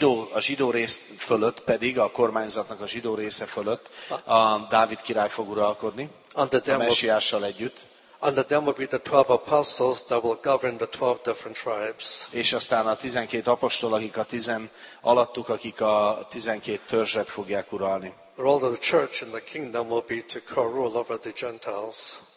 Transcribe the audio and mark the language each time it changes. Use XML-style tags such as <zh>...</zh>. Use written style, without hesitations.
<hu>A zsidó rész fölött pedig, a kormányzatnak a zsidó része fölött a Dávid király fog uralkodni a Messiással együtt.</hu> <en>Under them will be the 12 apostles that will govern the 12 different tribes.</en> <hu>És aztán a 12 apostol, akik a 10 alattuk, akik a 12 törzset fogják uralni.</hu> <en>The role of the church in the kingdom will be to co-rule over the Gentiles.</en>